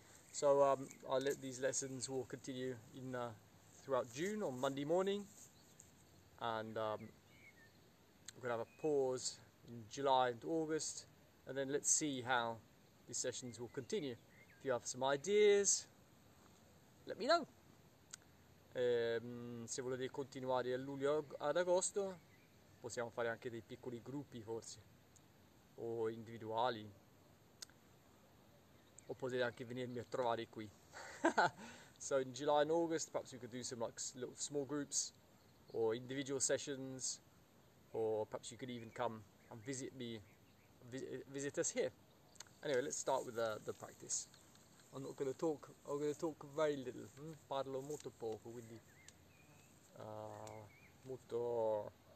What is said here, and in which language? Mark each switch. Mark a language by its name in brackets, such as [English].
[English] So I'll let these lessons will continue in throughout June on Monday morning, and we're gonna have a pause in July and August, and then let's see how these sessions will continue. If you have some ideas, let me know. [Italian] Se volete continuare a luglio ad agosto, possiamo fare anche dei piccoli gruppi forse, o individuali, o potete anche venirmi a trovare qui. [English] So in July and August, perhaps you could do some like little small groups, or individual sessions, or perhaps you could even come and visit me, visit us here. Anyway, let's start with the practice. I'm not going to talk. I'm going to talk very little. [Italian] Parlo molto poco, quindi molto.